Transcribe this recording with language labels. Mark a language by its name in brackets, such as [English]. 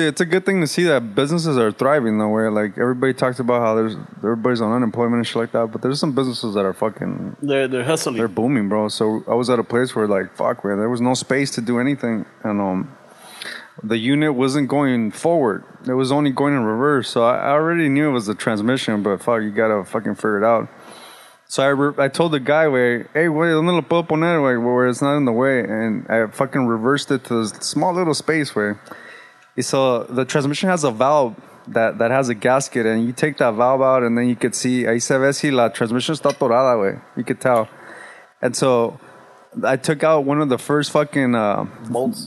[English] It's a good thing to see that businesses are thriving, though, where, like, everybody talks about how everybody's on unemployment and shit like that, but there's some businesses that are fucking... They're hustling. They're booming, bro. So I was at a place where, like, fuck, where there was no space to do anything, and the unit wasn't going forward. It was only going in reverse. So I already knew it was the transmission, but fuck, you gotta fucking figure it out. So I told the guy, "Hey, wait, [Spanish] ¿dónde lo puedo poner? [English] Where it's not in the way." And I fucking reversed it to this small little space where... So the transmission has a valve that has a gasket, and you take that valve out, and then you could see, [Spanish] ahí se ve si la transmission está torada, [English] güey. You could tell. And so I took out one of the first fucking... bolts?